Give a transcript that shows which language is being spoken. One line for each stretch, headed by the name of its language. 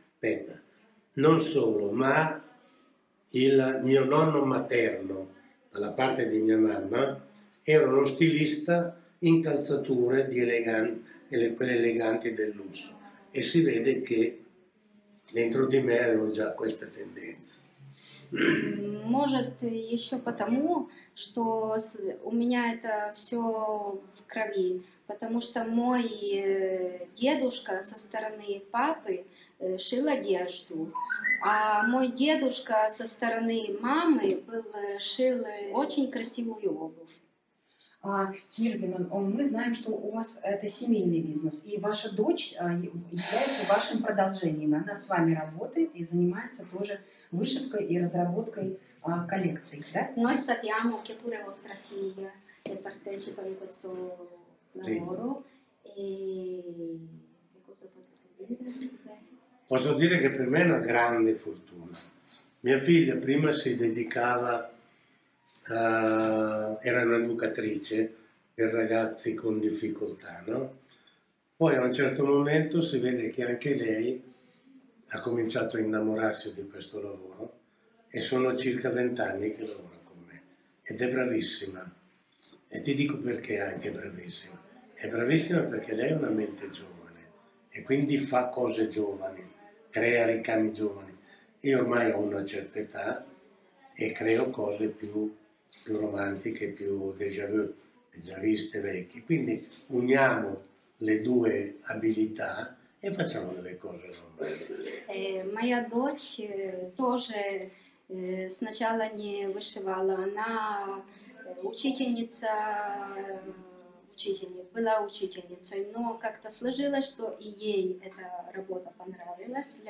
Italian: Aspetta, non solo, ma il mio nonno materno, dalla parte di mia mamma, era uno stilista in calzature di quelle eleganti del lusso. E si vede che dentro di me avevo già questa tendenza.
Russian: Может, еще потому, что у меня это все в крови, потому что мой дедушка со стороны папы шил одежду, а мой дедушка со стороны мамы шил очень красивую обувь. Сеньор Пино, мы знаем, что у вас это семейный бизнес, и ваша дочь является вашим продолжением. Она с вами работает и занимается тоже вышивкой и разработкой коллекций, да?
Italian: Noi sappiamo che pure vostra figlia partecipa in questo lavoro. E cosa potete dire? Posso dire che per me è una grande fortuna. Mia figlia prima si dedicava era un'educatrice per ragazzi con difficoltà, no? Poi a un certo momento si vede che anche lei ha cominciato a innamorarsi di questo lavoro e sono circa 20 anni che lavora con me ed è bravissima. E ti dico perché è anche bravissima. È bravissima perché lei ha una mente giovane e quindi fa cose giovani, crea ricami giovani. Io ormai ho una certa età e creo cose più romantiche, più déjà vu, già viste, vecchie. Quindi uniamo le due abilità e facciamo delle cose normali.
Russian: Моя дочь тоже сначала не вышивала, она была учительницей, но как-то сложилось, что и ей эта работа понравилась.